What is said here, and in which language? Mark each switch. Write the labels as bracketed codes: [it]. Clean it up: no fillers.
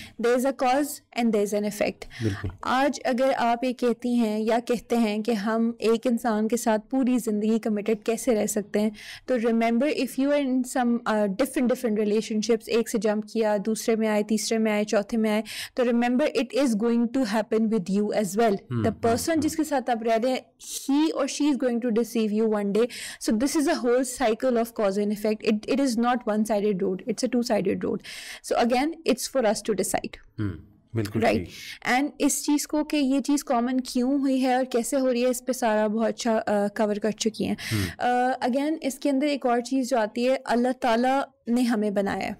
[en] There is a cause and there is an effect. [ur] آج اگر آپ یہ کہتی ہیں یا کہتے ہیں کہ ہم ایک انسان کے ساتھ پوری زندگی کمیٹڈ کیسے رہ سکتے ہیں، تو [en] remember if you in some different different relationships, [ur] ایک سے جمپ کیا، دوسرے میں آئے، تیسرے میں آئے، چوتھے میں آئے، تو [en] Remember it is going to happen with you as well. The person [ur] جس کے ساتھ آپ رہ رہے ہیں [en] ہی اور she is going to deceive you one day. So this is a whole cycle of cause and effect. It is not one sided road, it's a two sided road. So again it's for us to decide. [ur] بالکل [en] Right. [ur] And اس چیز کو کہ یہ چیز common کیوں ہوئی ہے اور کیسے ہو رہی ہے اس پہ سارا بہت اچھا کور کر چکی ہیں. اگین اس کے اندر ایک اور چیز جو آتی ہے، اللہ تعالیٰ نے ہمیں بنایا